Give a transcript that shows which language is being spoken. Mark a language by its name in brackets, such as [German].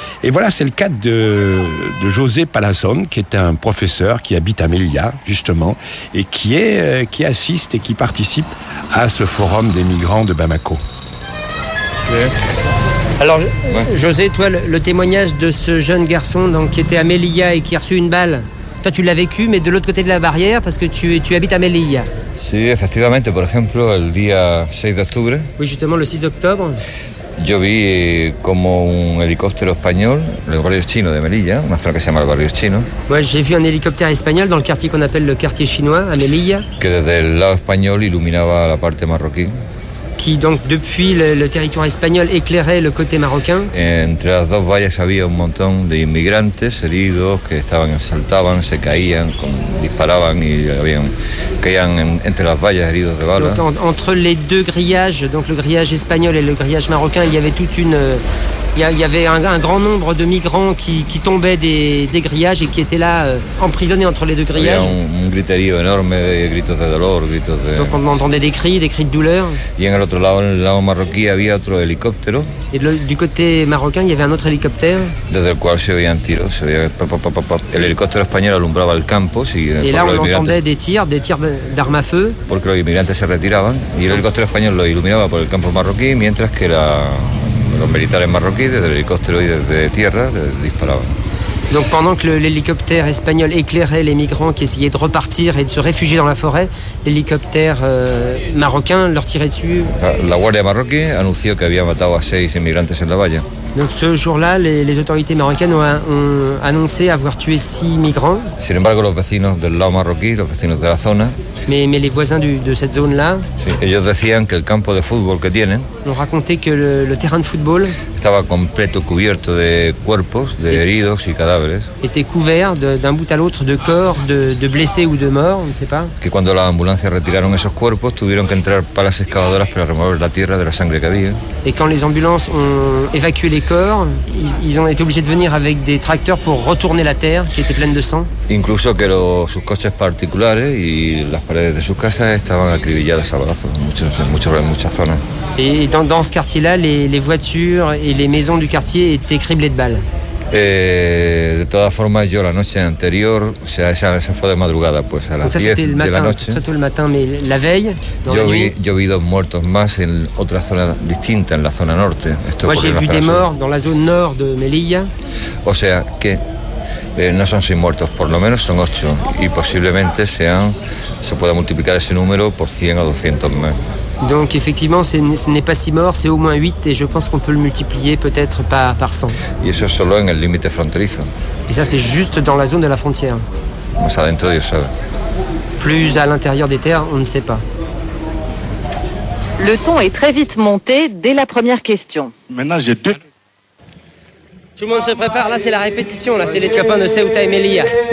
[French] Et voilà, c'est le cas de José Palazón, qui est un professeur qui habite à Melilla, justement, et qui assiste et qui participe à ce forum des migrants de Bamako. Okay. Alors, José, toi, le témoignage de ce jeune garçon qui était à Melilla et qui a reçu une balle, toi, tu l'as vécu, mais de l'autre côté de la barrière, parce que tu habites à Melilla. [Spanish] Sí, efectivamente, por ejemplo, el día 6 de octubre. [French] Oui, justement, le 6 octobre. [Spanish] Yo vi como un helicóptero español, el barrio chino de Melilla, una zona que se llama el barrio chino. [French] Moi, j'ai vu un hélicoptère espagnol dans le quartier qu'on appelle le quartier chinois, à Melilla. [Spanish] Que desde el lado español iluminaba la parte marroquí. [French] Qui donc depuis le territoire espagnol éclairait le côté marocain. [Spanish] Entre las dos vallas había un montón de inmigrantes heridos que estaban, saltaban, se caían, disparaban y caían entre las vallas heridos de bala. [French] Donc entre les deux grillages, donc le grillage espagnol et le grillage marocain, il y avait toute une il y avait un grand nombre de migrants qui tombaient des grillages et qui étaient là emprisonnés entre les deux grillages. [Spanish] Un griterío enorme, gritos de dolor, gritos de... [French] Donc on entendait des cris de douleur. [Spanish] Y en el otro lado, en el lado marroquí, había otro helicóptero. [French] Et du côté marocain, il y avait un autre hélicoptère. [Spanish] Desde el cual se oían tiros, se oía pa, pa, pa, pa, pa. El helicóptero español alumbraba el campo. Si [French] et là, on entendait des tirs d'armes à feu. [Spanish] Porque los inmigrantes se retiraban. Y el helicóptero español lo iluminaba por el campo marroquí, mientras que la... Los militares marroquíes desde el helicóptero y desde tierra disparaban. [French] Donc pendant que l'hélicoptère espagnol éclairait les migrants qui essayaient de repartir et de se réfugier dans la forêt, l'hélicoptère marocain leur tirait dessus. [Spanish] La guardia marroquí anunció que había matado a 6 inmigrantes en la valle. [French] Donc ce jour-là, les autorités marocaines ont annoncé avoir tué 6 migrants. [Spanish] Sin embargo, los vecinos del lado marroquí, los vecinos de la zona. [French] Mais les voisins de cette zone-là. [Spanish] Sí, ellos decían que el campo de fútbol que tienen. [French] Ont raconté que le terrain de football. [Spanish] Estaba completo cubierto de cuerpos, de heridos y cadáveres. [French] Était couvert d'un bout à l'autre de corps de blessés ou de morts, on ne sait pas. [Spanish] Que cuando las ambulancias retiraron esos cuerpos, tuvieron que entrar palas excavadoras para remover la tierra de la sangre que había. [French] Et quand les ambulances ont évacué les corps, ils ont été obligés de venir avec des tracteurs pour retourner la terre qui était pleine de sang. [Spanish] Incluso que sus coches particulares y las paredes de sus casas estaban acribilladas a balazos en muchas zonas. [French] Et dans ce quartier-là, les voitures et les maisons du quartier étaient criblées de balles. [Spanish] De todas formas, yo la noche anterior, o sea, esa fue de madrugada, pues a las 10 [French] c'était le matin, [Spanish] de la noche. [French] Ça, c'était le matin, mais la veille, dans la nuit. [Spanish] Yo vi dos muertos más en otra zona distinta, en la zona norte. [French] Esto moi, j'ai vu des morts dans la zone nord de Melilla. [Spanish] O sea, que no son 6 muertos, por lo menos son 8, y posiblemente se pueda multiplicar ese número por 100 o 200 más. [French] Donc effectivement, ce n'est pas 6 morts, c'est au moins 8, et je pense qu'on peut le multiplier peut-être par 100. [Spanish] Y eso solo en el límite fronterizo. [French] Et ça, c'est juste dans la zone de la frontière. [Spanish] Más adentro, Dios sabe. [French] Plus à l'intérieur des terres, on ne sait pas. Le ton est très vite monté dès la première question. Maintenant, j'ai deux. Tout le monde se prépare, là c'est la répétition, là c'est les copains de Ceuta et Melilla.